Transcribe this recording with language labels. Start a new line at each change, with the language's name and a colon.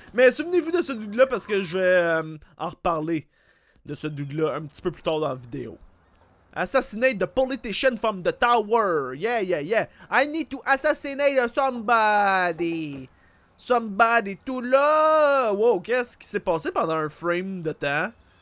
French: Mais souvenez-vous de ce dude-là parce que je vais en reparler de ce dude-là un petit peu plus tard dans la vidéo.
English: Assassinate the politician from the tower. Yeah, yeah, yeah. I need to assassinate somebody. Somebody to love.
French: Wow, qu'est-ce qui s'est passé pendant un frame de temps?